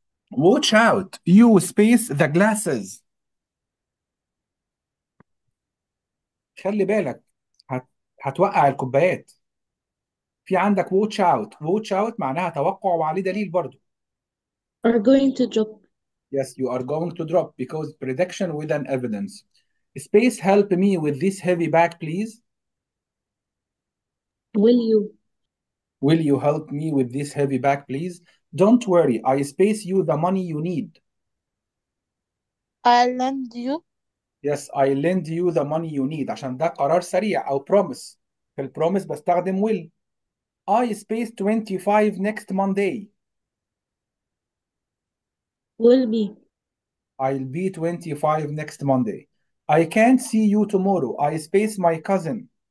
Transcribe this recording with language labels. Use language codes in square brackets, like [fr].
[en] Watch out, you space the glasses. [ar] خلي بالك هتوقع الكوبايات. في عندك [en] watch out. Watch out [ar] معناها توقع وعليه دليل برضو. [en] are going to drop. Yes, you are going to drop because prediction with an evidence. Space, help me with this heavy bag, please. Will you? Will you help me with this heavy bag, please? Don't worry, I space you the money you need. I'll lend you. Yes, I lend you the money you need. [ar] عشان ده قرار سريع أو promise. في البروميس بستخدم will. [en] I space 25 next Monday. Will be. I'll be 25 next Monday. I can't see you tomorrow. I space my cousin.